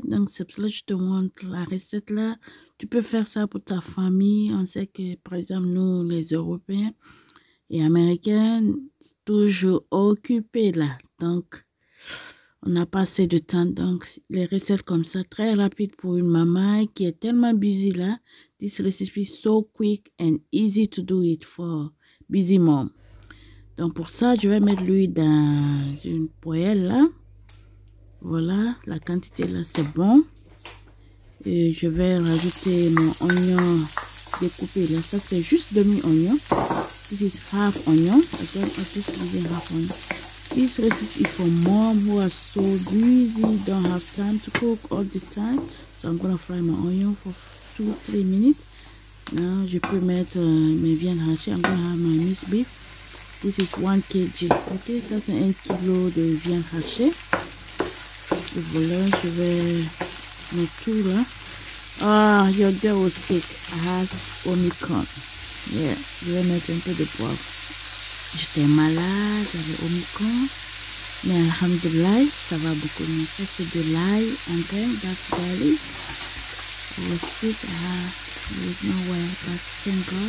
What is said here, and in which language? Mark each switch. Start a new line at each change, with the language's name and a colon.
French: Donc, c'est pour ça que je te montre la recette là. Tu peux faire ça pour ta famille. On sait que, par exemple, nous, les Européens et Américains, toujours occupés là. Donc, on n'a pas assez de temps, donc les recettes comme ça, très rapides pour une maman qui est tellement busy là.
English: This recipe is so quick and easy to do it for busy mom.
French: Donc pour ça, je vais mettre l'huile dans une poêle là. Voilà, la quantité là, c'est bon. Et je vais rajouter mon oignon découpé là. Ça, c'est juste demi-oignon.
English: This is half onion. This recipe is for mom who are so busy, don't have time to cook all the time. So I'm going to fry my onion for 2-3 minutes. Now,
French: je peux mettre mes viandes hachées.
English: I'm going to have my minced beef. This is 1 kg.
French: Ok, ça c'est 1 kg de viande hachée. Et voilà, je vais mettre tout là.
English: Ah, your girl was sick. I had Omicron.
French: Yeah, je vais mettre un peu de poivre. J'étais malade, j'avais Omicron, mais alhamdoulilah, ça va beaucoup mieux. Ça, c'est de l'ail en grain,
English: that's garlic. Le site, there's no way, but thank God.